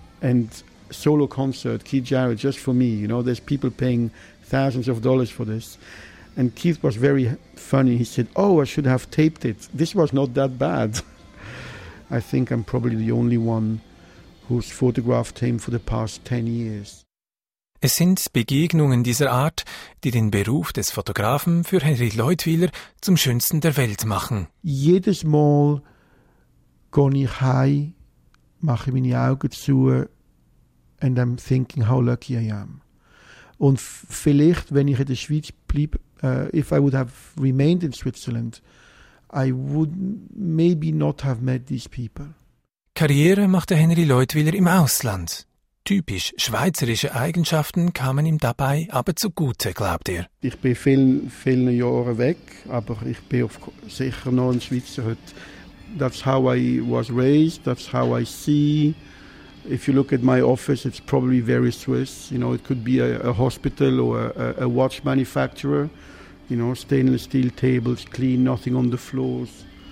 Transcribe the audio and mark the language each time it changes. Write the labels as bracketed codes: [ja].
[en] And solo concert, Keith Jarrett, just for me. You know, there's people paying thousands of dollars for this. And Keith was very funny. He said, oh, I should have taped it. This was not that bad. I think I'm probably the only one who's photographed him for the past 10 years. [de] Es sind Begegnungen dieser Art, die den Beruf des Fotografen für Henry Leutwiler zum schönsten der Welt machen. Jedes Mal gehe ich heim, mache meine Augen zu [en] and I'm thinking how lucky I am. [de] Und vielleicht, wenn ich in der Schweiz blieb, [en] if I would have remained in Switzerland, I would maybe not have met these people. [de] Karriere machte Henry Leutwiler im Ausland. Typisch schweizerische Eigenschaften kamen ihm dabei aber zugute, glaubt er. Ich bin viele Jahre weg, aber ich bin sicher noch ein Schweizer heute. [en] That's how I was raised, that's how I see. If you look at my office, it's probably very Swiss. You know, it could be a hospital or a watch manufacturer. You know, stainless steel tables, clean, nothing on the floors.